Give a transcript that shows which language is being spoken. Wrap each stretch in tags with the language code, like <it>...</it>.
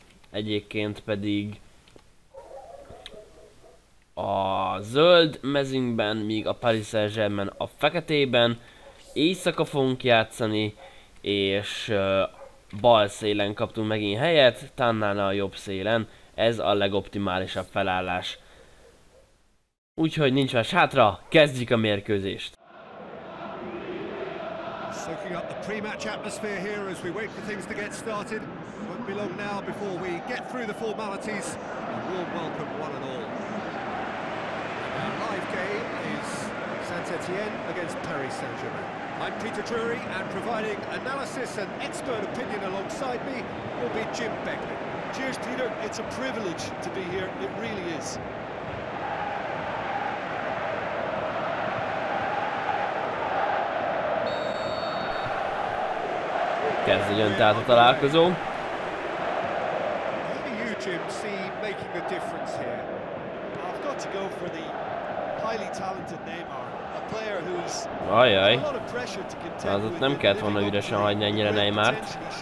<hu>Egyébként pedig a zöld mezőnyben, míg a Paris Saint-Germain a feketében. Éjszaka fogunk játszani, és bal szélen kaptunk megint helyet, Tannana a jobb szélen. Ez a legoptimálisabb felállás. Úgyhogy nincs más hátra, kezdjük a mérkőzést!</hu> <en>Soaking up the pre-match atmosphere here as we wait for things to get started. Won't be long now before we get through the formalities. A warm welcome one and all. Our live game is Saint-Étienne against Paris Saint-Germain. I'm Peter Drury, and providing analysis and expert opinion alongside me will be Jim Beckley. Cheers, Peter. It's a privilege to be here. It really is.</en> <hu>Kezdődjön tehát a találkozó.</hu> <en>How do you, Jim, see making a difference here? I've got to go for the highly talented Neymar.</en> <hu>Ajaj, az ott nem kellett volna üresen hagyni ennyire Neymart.</hu>